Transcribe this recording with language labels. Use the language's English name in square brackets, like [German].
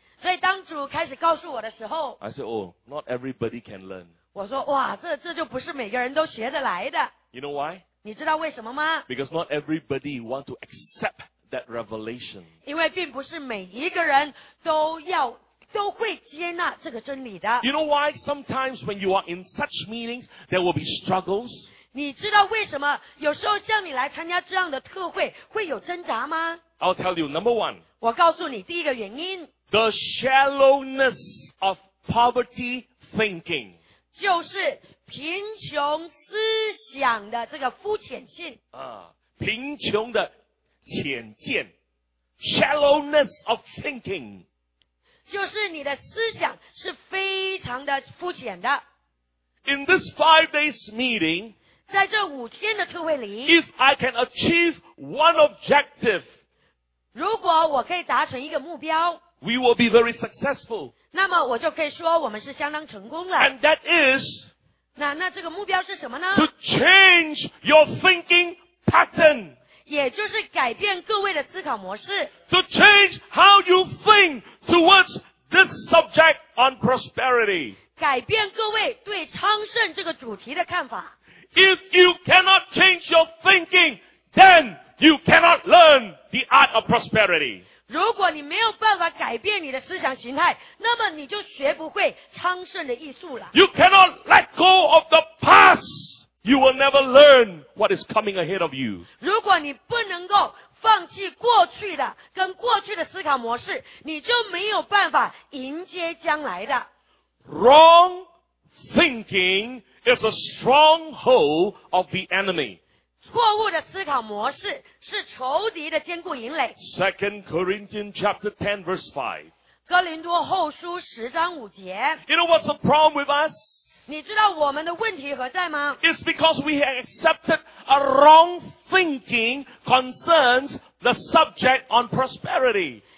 [Chinese] 所以当主开始告诉我的时候 [English] I said, oh, not everybody can learn. [Chinese] 我说哇这就不是每个人都学得来的。 [English] You know why? [Chinese] 你知道为什么吗 [English] Because not everybody want to accept that revelation. [Chinese] 因为并不是每一个人都会接纳这个真理的。 [English] You know why? Sometimes when you are in such meetings, there will be struggles. [Chinese] 你知道为什么有时候像你来参加这样的特会会有挣扎吗？ [English] I'll tell you, number one. [Chinese] 我告诉你第一个原因。 [English] The shallowness of poverty thinking. [Chinese] 就是贫穷思想的这个肤浅性。贫穷的浅见 [English] shallowness of thinking [Chinese] 就是你的思想是非常的肤浅的 [English] In this 5 days meeting [Chinese] 在这五天的特会里 [English] If I can achieve one objective [Chinese] 如果我可以达成一个目标， [English] we will be very successful. [Chinese] 那么我就可以说我们是相当成功了。 [English] And that is, [Chinese] 那这个目标是什么呢？ [English] To change your thinking pattern. [Chinese] 也就是改变各位的思考模式。 [English] To change how you think towards this subject on prosperity. [Chinese] 改变各位对昌盛这个主题的看法。 [English] If you cannot change your thinking, then you cannot learn the art of prosperity. [Chinese] 如果你没有办法改变你的思想形态，那么你就学不会昌盛的艺术了。 [English] You cannot let go of the past. You will never learn what is coming ahead of you. [Chinese] 如果你不能够放弃过去的跟过去的思考模式，你就没有办法迎接将来的。 [English] Wrong thinking is a stronghold of the enemy. [Chinese] 错误的思考模式是仇敌的坚固营垒。 [English] 2 Corinthians chapter 10 verse 5. [Chinese] 哥林多后书十章五节。 [English] You know what's the problem with us? [Chinese] 你知道我们的问题何在吗？ [English] It's because we have accepted a wrong thinking concerns the subject on prosperity.